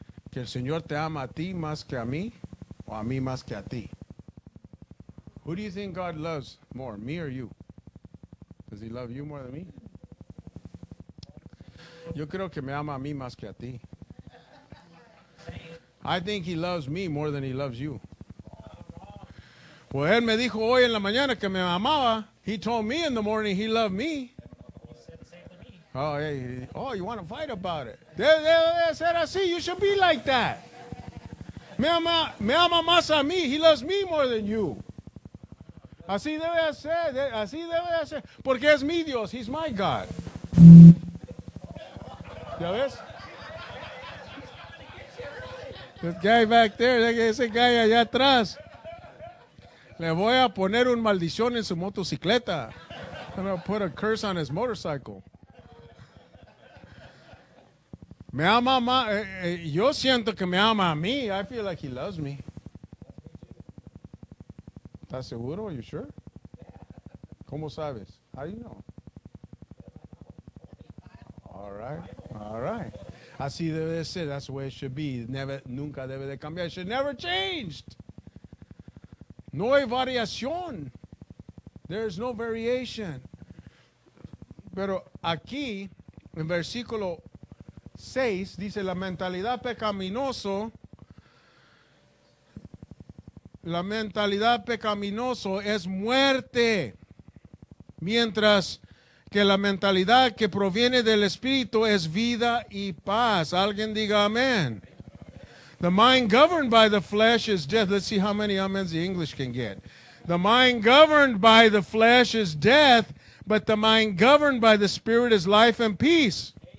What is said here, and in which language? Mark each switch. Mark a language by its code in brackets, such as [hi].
[es] ¿Que el Señor te ama a ti más que a mí? ¿O a mí más que a ti? [en] Who do you think God loves more, me or you? Does he love you more than me? [es] Yo creo que me ama a mí más que a ti. [en] I think he loves me more than he loves you. Well, [es] él me dijo hoy en la mañana que me amaba. [en] He told me in the morning he loved me. Oh, yeah. Oh, you want to fight about it. I said, I see, you should be like that. [es] Me ama más a mí. [en] He loves me more than you. [es] Así debe ser. Así debe ser. Porque es mi Dios. [en] He's my God. [es] ¿Ya ves? [en] This guy back there, [es] ese guy allá atrás. Le voy a poner un maldición en su motocicleta. [en] I'm going to put a curse on his motorcycle. [es] Me ama, yo siento que me ama a mí. [en] I feel like he loves me. [es] ¿Estás seguro? [en] Are you sure? [es] ¿Cómo sabes? [en] How do you know? All right. [es] Así debe de ser. [en] That's the way it should be. [es] Nunca debe de cambiar. [en] It should never change. [es] No hay variación. [en] There's no variation. [es] Pero aquí, en versículo 6, dice la mentalidad pecaminoso. La mentalidad pecaminoso es muerte. Mientras que la mentalidad que proviene del Espíritu es vida y paz. Alguien diga amén. [en] The mind governed by the flesh is death. Let's see how many amens the English can get. The mind governed by the flesh is death, but the mind governed by the Spirit is life and peace.